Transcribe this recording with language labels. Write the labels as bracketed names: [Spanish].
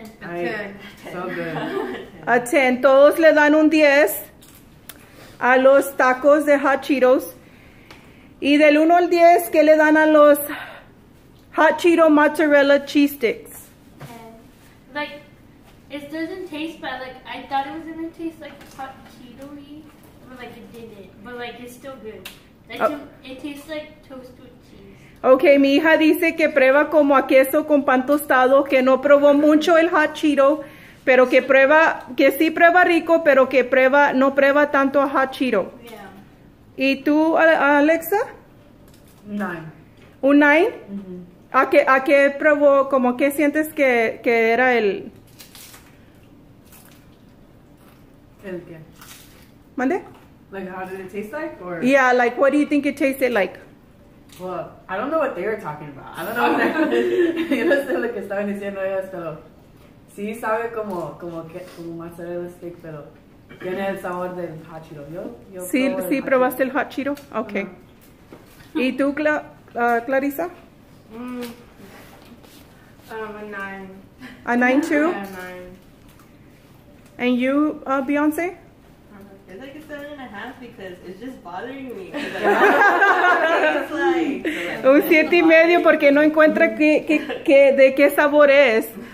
[Spanish] A 10. [English] So good. [Spanish] A 10. Todos le dan un 10. a los tacos de Hot Cheetos. Y del 1 al 10, ¿qué le dan a los Hot Cheeto Mozzarella Cheese Sticks? [English] Like, it doesn't taste bad. Like, I thought it was going to taste like Hot Cheeto-y, but like, it didn't. But like, it's still good. It tastes like toast with cheese. [Spanish] Okay, mi hija dice que prueba como a queso con pan tostado, que no probó mucho el Hot Cheeto, pero que prueba, que sí prueba rico, pero que prueba, no prueba tanto a Hot Cheeto. [English] Yeah. [Spanish] ¿Y tú, Alexa? 9. ¿Un 9? Mm-hmm. ¿A qué probó? ¿Cómo qué sientes que era el...? ¿El qué? ¿Mande? [English] Like, how did it taste like? Or... Yeah, like, what do you think it tasted like? Well, I don't know what they were talking about. I don't know what they... [Spanish] Yo no sé lo que estaban diciendo ellos, pero... Sí sabe como mozzarella stick, pero... Tiene el sabor del Hot Cheeto. Yo sí, probé sí, el probaste el Hot Cheeto. Ok. Uh-huh. ¿Y tú, Clarisa? A 9. ¿A 9 too? [English] Yeah, a [Spanish] 9. ¿Y tú, Beyonce? [English] It's like a 7.5 because it's just bothering me. It's [Spanish] like, un 7.5 porque no encuentra que de qué sabor es.